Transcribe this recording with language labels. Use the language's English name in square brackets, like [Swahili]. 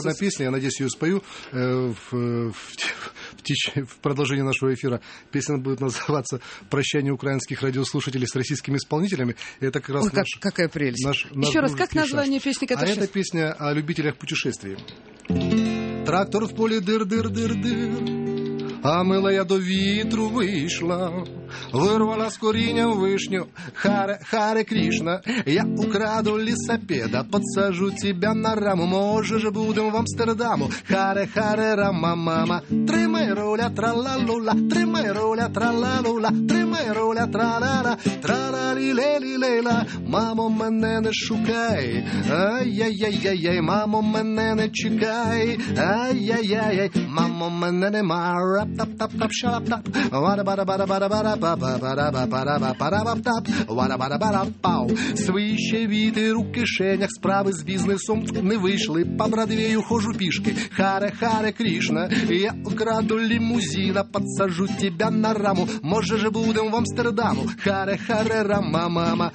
[Russian] У меня есть одна песня, я надеюсь, ее спою в продолжении нашего эфира. Песня будет называться «Прощание украинских радиослушателей с российскими исполнителями». Это как раз какая прелесть. Еще раз, как название песни, которая сейчас? А это песня о любителях путешествий. Трактор в поле [Ukrainian] дыр-дыр-дыр-дыр, а мила я до вітру вийшла, вирвала з корінням вишню, харе Кришна. Я украду лісопеда, [Russian] подсажу тебя на раму, [Ukrainian] може ж будем в Амстердаму, харе-харе, рама-мама. Тримай руля, тра-ла-лула, тримай руля, тра-ла-лула, тримай руля, тра-ла-ла, тра-ла-лі-лі-лі-ла. Мамо, мене не шукай, ай-яй-яй-яй, мамо, мене не чекай, ай-яй-яй-яй, мамо, мене не мара. Тап-тап-тап-шалап-тап, вара-бара-бара-бара-бара-бара-бара-бара-бара-бара-бара-бара-тап, вара-бара-бара-пау. Свищі вітер у кишенях, справи з бізнесом не вийшли, по Бродвею хожу пішки, харе-харе Кришна. Я украду лімузина, [Russian] подсажу тебя на раму, [Ukrainian] може ж будем в Амстердаму, харе-харе, рама-мама.